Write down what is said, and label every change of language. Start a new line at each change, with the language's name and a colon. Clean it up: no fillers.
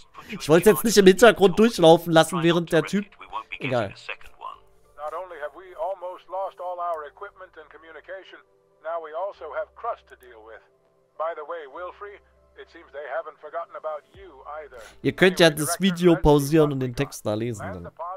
German: Ich wollte es jetzt nicht im Hintergrund durchlaufen lassen, während der Typ... Egal.
English: Not only have we almost lost all our equipment and communication, now we also have Crust to deal with. By the way, Wilfried... It seems they haven't forgotten about you either.
German: Ihr könnt ja das Video pausieren und den Text da lesen.